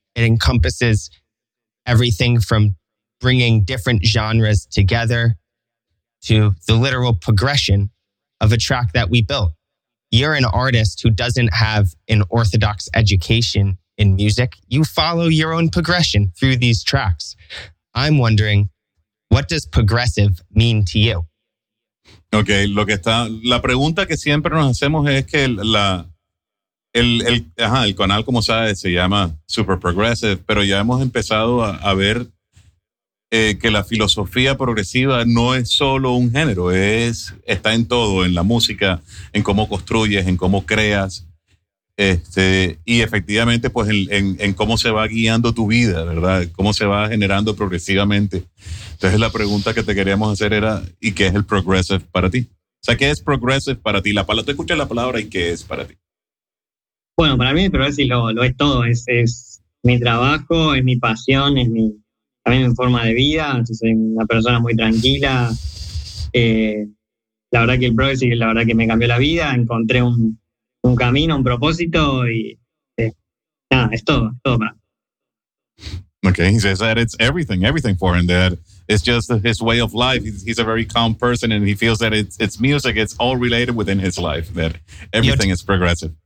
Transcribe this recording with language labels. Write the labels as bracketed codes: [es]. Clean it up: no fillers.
[en] It encompasses everything from bringing different genres together to the literal progression of a track that we built. You're an artist who doesn't have an orthodox education in music. You follow your own progression through these tracks. I'm wondering, what does progressive mean to you? [es] Okay, lo que está, la pregunta que siempre nos hacemos es que el canal, como sabes, se llama Super Progressive, pero ya hemos empezado a ver que la filosofía progresiva no es solo un género, está en todo, en la música, en cómo construyes, en cómo creas, y efectivamente pues en cómo se va guiando tu vida, ¿verdad? Cómo se va generando progresivamente. Entonces la pregunta que te queríamos hacer era, ¿y qué es el progressive para ti? O sea, ¿qué es progressive para ti? Tú escuchas la palabra, ¿y qué es para ti? Bueno, para mí el progressive lo es todo. Es mi trabajo, es mi pasión, es también mi forma de vida. Soy una persona muy tranquila. La verdad que el progressive, la verdad que me cambió la vida. Encontré un camino, un propósito y nada, es todo para mí. [en] Okay, he says that it's everything for him, that it's just his way of life. He's a very calm person and he feels that it's music, it's all related within his life, that everything is progressive.